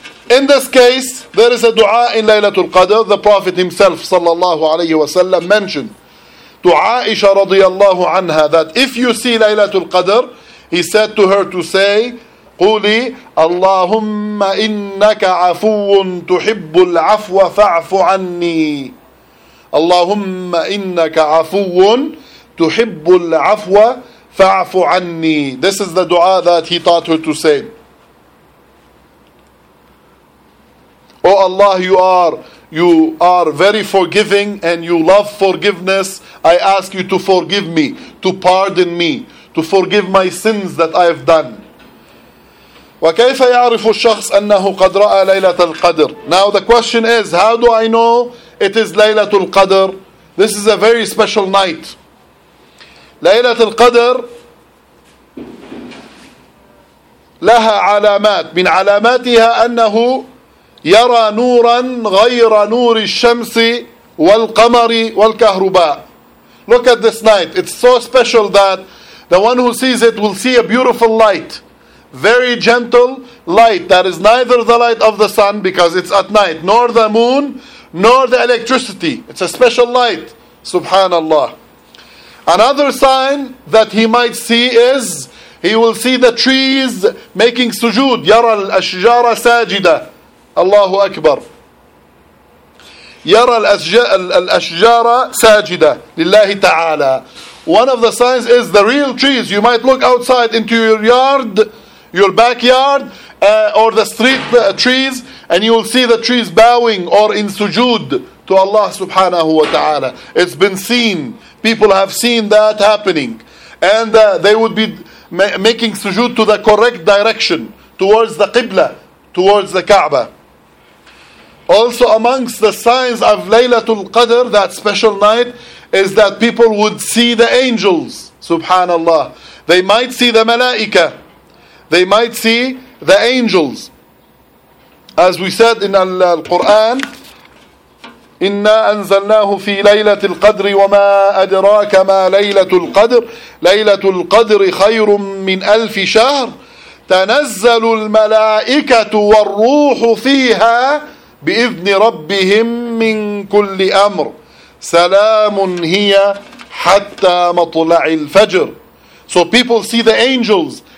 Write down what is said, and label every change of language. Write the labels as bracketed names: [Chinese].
[English] In this case, there is a dua in Laylatul Qadr. The Prophet himself, sallallahu alayhi wa sallam, mentioned to Aisha radiallahu anha that if you see Laylatul Qadr, he said to her to say, [Arabic] قولي اللهم إنك عفو تحب العفو فاعف عني. اللهم إنك عفو تحب العفو فاعف عني. [English] This is the dua that he taught her to say. Oh Allah, you are very forgiving and you love forgiveness. I ask you to forgive me, to pardon me, to forgive my sins that I have done. [Arabic] وكيف يعرف الشخص أنه قد رأى ليلة القدر? [English] Now the question is, how do I know it is ليلة القدر? This is a very special night. [Arabic] ليلة القدر لها علامات من علاماتها أنه يرى نورا غير نور الشمس والقمر والكهرباء. [English] Look at this night. It's so special that the one who sees it will see a beautiful light. Very gentle light that is neither the light of the sun, because it's at night, nor the moon, nor the electricity. It's a special light. Subhanallah. Another sign that he might see is he will see the trees making sujood. [Arabic] يرى الأشجار ساجدة. الله أكبر يرى الأشجار ساجدة لله تعالى [English] One of the signs is the real trees. You might look outside into your yard, your backyard, or the street trees, and you will see the trees bowing or in sujood to Allah subhanahu wa ta'ala. It's been seen. People have seen that happening. And they would be making sujood to the correct direction, towards the Qibla, towards the Kaaba. Also amongst the signs of Laylatul Qadr, that special night, is that people would see the angels, subhanallah. They might see the malaika. They might see the angels. As we said in Al-Quran, [Arabic] إِنَّا أَنزَلْنَاهُ فِي لَيْلَةِ الْقَدْرِ وَمَا أَدْرَاكَ مَا لَيْلَةُ الْقَدْرِ لَيْلَةُ الْقَدْرِ خَيْرٌ مِّنْ أَلْفِ شَهْرٍ تَنَزَّلُ الْمَلَائِكَةُ وَالرُّوحُ فِيهَا بِإِذْنِ رَبِّهِمْ مِّنْ كُلِّ أَمْرٍ سَلَامٌ هِيَ حَتَّى مَطْلَعِ الْفَجْرِ. [English] So people see the angels.